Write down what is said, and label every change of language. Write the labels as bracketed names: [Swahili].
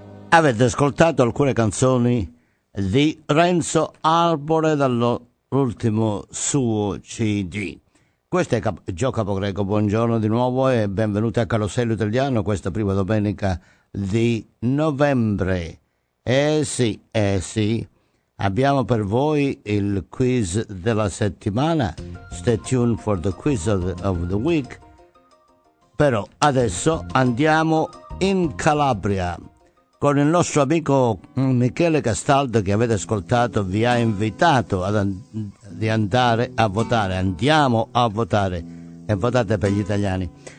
[Italian] Avete ascoltato alcune canzoni di Renzo Arbore dall'ultimo suo CD. Questo è Gio Capogreco, buongiorno di nuovo e benvenuti a Carosello Italiano questa prima domenica di novembre. Eh sì, abbiamo per voi il quiz della settimana. [English] Stay tuned for the quiz of the week. [Italian] Però adesso andiamo in Calabria. con il nostro amico Michele Castaldo, che avete ascoltato, vi ha invitato di andare a votare. Andiamo a votare e votate per gli italiani.